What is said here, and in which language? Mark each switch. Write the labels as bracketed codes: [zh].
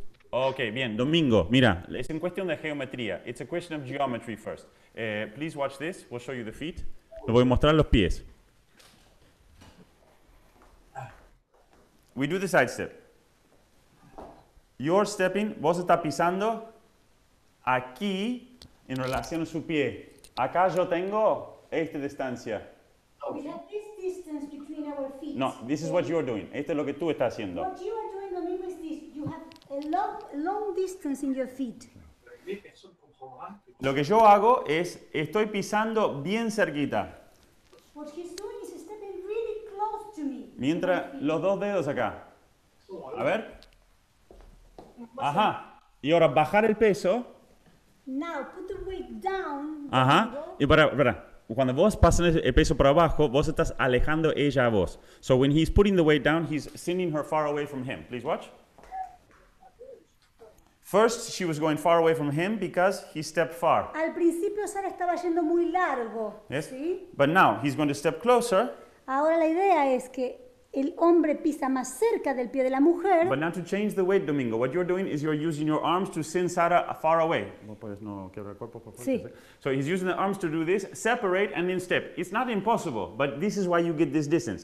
[es] Okay, bien, Domingo, mira, es en cuestión de geometría. [en] It's a question of geometry first. Please watch this, we'll show you the feet. [es] Le voy a mostrar los pies. [en] We do the side step. You're stepping, [es] vos estás pisando aquí en relación a su pie. Acá yo tengo esta distancia. [en] We have this distance between our feet. No, this is what you're doing. [es] Esto es lo que tú estás haciendo. [en] What you are doing, Domingo, is this. You have a long distance in your feet. [es] Lo que yo hago es, estoy pisando bien cerquita. [en] What he's doing is stepping really close to me. [es] Mientras, los dos dedos acá. A ver. Ajá. Y ahora bajar el peso. [en] Now, put the weight down. [es] Ajá. Y para. Cuando vos pasas el peso por abajo, vos estás alejando ella a vos. [en] So when he's putting the weight down, he's sending her far away from him. Please watch. First, she was going far away from him because he stepped far. [es] Al principio, Sara estaba yendo muy largo. [en] Yes. [es] ¿Sí? [en] But now, he's going to step closer. [es] Ahora la idea es que el hombre pisa más cerca del pie de la mujer. [en] But now to change the weight, Domingo, what you're doing is you're using your arms to send Sara far away. [es] Sí. [en] So he's using the arms to do this, separate and then step. It's not impossible, but this is why you get this distance.